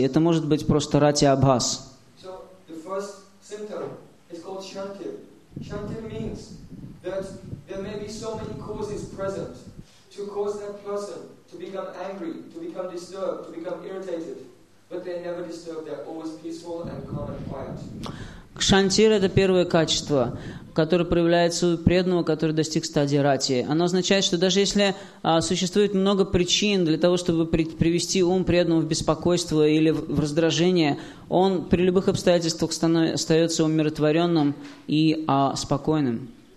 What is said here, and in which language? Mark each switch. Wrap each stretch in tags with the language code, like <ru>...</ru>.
<ru>Это может быть просто рати абхас.</ru> <en>So the first symptom is called shantir. Shantir means that there may be so many causes present to cause that person to become angry, to become disturbed, to become irritated, but they never disturb. They're always peaceful and calm and quiet.</en> <ru>Кшантира – это первое качество, которое проявляется у преданного, который достиг стадии рати. Оно означает, что даже если существует много причин для того, чтобы привести ум преданного в беспокойство или в раздражение, он при любых обстоятельствах остается умиротворенным и спокойным.</ru>